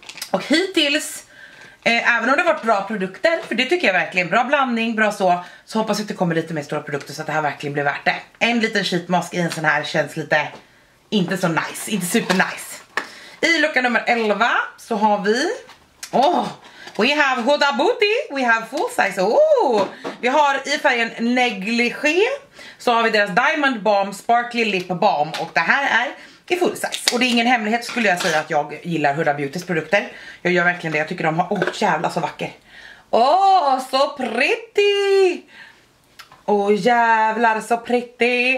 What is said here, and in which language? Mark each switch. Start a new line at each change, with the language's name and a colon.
Swedish: Och hittills, även om det har varit bra produkter, för det tycker jag verkligen, bra blandning, bra så. Så hoppas jag att det kommer lite mer stora produkter så att det här verkligen blir värt det. En liten sheetmask i en sån här känns lite, inte så nice, inte super nice. I lucka nummer 11 så har vi, åh,
English: We have Huda Booty, we have full size. Ooh.
Swedish: Vi har i färgen negligé, så har vi deras Diamond Balm Sparkly Lip Balm, och det här är i full size. Och det är ingen hemlighet, skulle jag säga, att jag gillar Huda Beautys produkter. Jag gör verkligen det, jag tycker de har, oh, jävla så vacker. Åh, oh, så pretty. Åh, oh, jävlar så pretty.